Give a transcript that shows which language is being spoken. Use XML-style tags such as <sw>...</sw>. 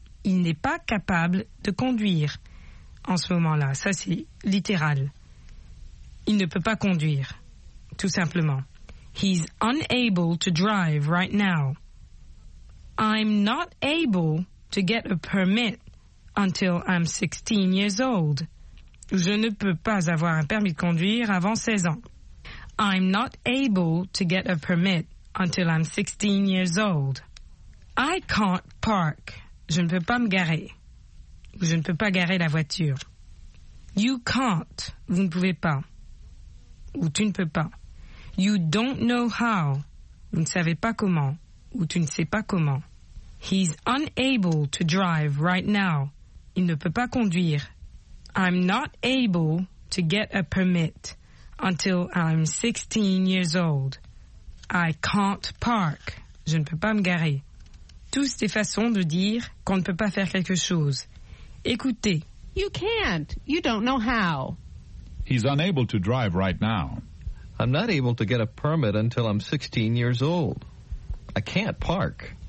<fr>Il n'est pas capable de conduire en ce moment-là. Ça, c'est littéral. Il ne peut pas conduire, tout simplement.</fr> <en>He's unable to drive right now. I'm not able to get a permit until I'm 16 years old.</en> <fr>Je ne peux pas avoir un permis de conduire avant 16 ans.</fr> <en>I'm not able to get a permit until I'm 16 years old. I can't park.</en> <fr>Je ne peux pas me garer. Je ne peux pas garer la voiture.</fr> <en>You can't.</en> <fr>Vous ne pouvez pas. Ou tu ne peux pas.</fr> <en>You don't know how.</en> <fr>Vous ne savez pas comment. Ou tu ne sais pas comment.</fr> <en>He's unable to drive right now.</en> <fr>Il ne peut pas conduire.</fr> <en>I'm not able to get a permit until I'm 16 years old. I can't park.</en> <fr>Je ne peux pas me garer. Tous ces façons de dire qu'on ne peut pas faire quelque chose. Écoutez.</fr> <en>You can't. You don't know how. He's unable to drive right now. I'm not able to get a permit until I'm 16 years old. I can't park.</en>